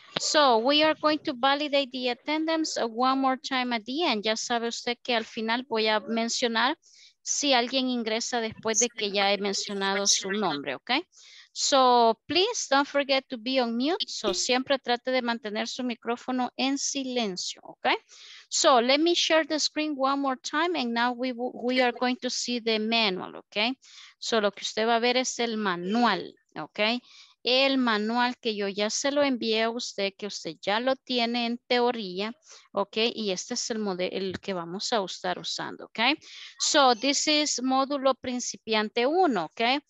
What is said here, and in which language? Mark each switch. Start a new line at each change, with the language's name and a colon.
English: So, we are going to validate the attendance one more time at the end.
Spanish: Ya sabe usted que al final voy a mencionar si alguien ingresa después de que ya he mencionado su nombre, ¿ok?
English: So, please don't forget to be on mute.
Spanish: So, siempre trate de mantener su micrófono en silencio, ¿ok?
English: So, let me share the screen one more time and now we are going to see the manual, ¿ok?
Spanish: So, lo que usted va a ver es el manual, ¿ok? El manual que yo ya se lo envié a usted, que usted ya lo tiene en teoría, ok, y este es el modelo el que vamos a estar usando, ok.
English: So, this is
Spanish: módulo principiante 1,
English: ok.